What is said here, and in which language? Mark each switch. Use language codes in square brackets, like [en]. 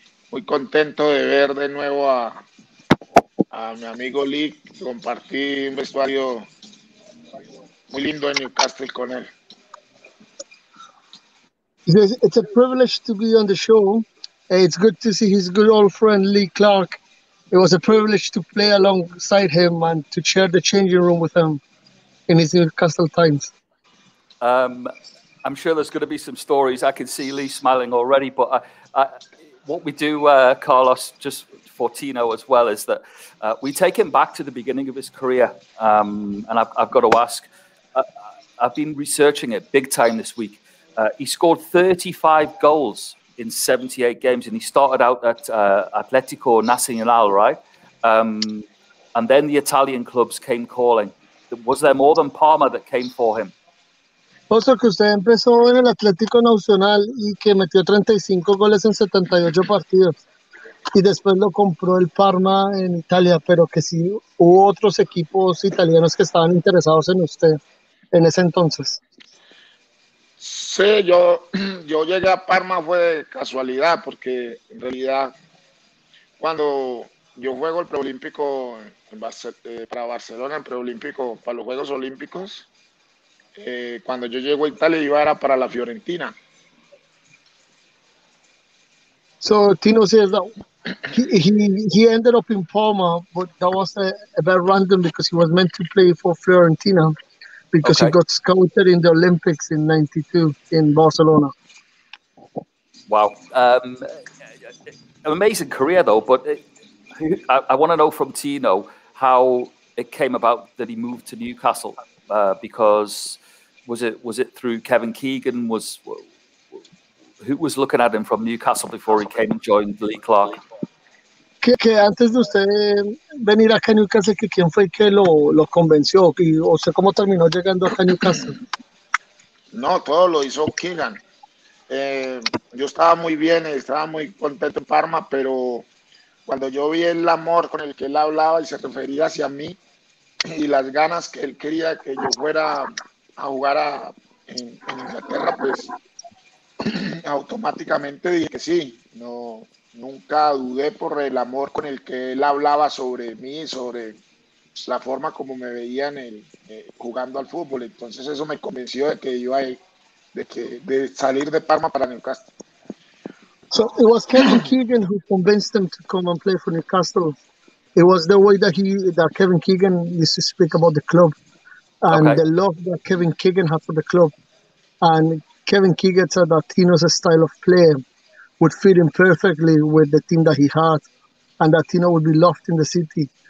[es] Muy contento de ver de nuevo a mi amigo Lee. Compartí un vestuario muy lindo en Newcastle con él. [en] It's a privilege to be on the show. It's good to see his good old friend Lee Clark. It was a privilege to play alongside him and to share the changing room with him in his Newcastle times. I'm sure there's going to be some stories. I can see Lee smiling already. But what we do, Carlos, just for Tino as well, is that we take him back to the beginning of his career. And I've got to ask, I've been researching it big time this week. He scored 35 goals in 78 games, and he started out at Atletico Nacional, right? And then the Italian clubs came calling. Was there more than Parma that came for him? [es] Puesto que usted empezó en el Atlético Nacional y que metió 35 goles en 78 partidos, y después lo compró el Parma en Italia, pero que sí hubo otros equipos italianos que estaban interesados en usted en ese entonces. Sí, yo llegué a Parma fue de casualidad, porque en realidad cuando yo juego el preolímpico para Barcelona, el preolímpico para los Juegos Olímpicos, cuando yo llego a Italia iba era para la Fiorentina. [en] So Tino says that he ended up in Parma, but that was a bit random because he was meant to play for Fiorentina. Because okay. He got scouted in the Olympics in 92 in Barcelona. Wow. An amazing career, though. But I want to know from Tino how it came about that he moved to Newcastle. Because was it through Kevin Keegan? Who was looking at him from Newcastle before he came and joined Lee Clark? [es] Que antes de usted venir acá a Newcastle, que quién fue que lo convenció, y o sea, cómo terminó llegando acá a Newcastle. No, todo lo hizo Keegan. Yo estaba muy bien, estaba muy contento en Parma, pero cuando yo vi el amor con el que él hablaba y se refería hacia mí y las ganas que él quería que yo fuera a jugar en Inglaterra, pues automáticamente dije que sí. No. Nunca dudé por el amor con el que él hablaba sobre mí, sobre la forma como me veía en el jugando al fútbol. Entonces eso me convenció de que iba a de salir de Parma para Newcastle. [en] So it was Kevin Keegan who convinced him to come and play for Newcastle. It was the way that Kevin Keegan used to speak about the club and okay. The love that Kevin Keegan had for the club. And Kevin Keegan said that Tino's a style of player would fit in perfectly with the team that he had, and that Tino would be loved in the city.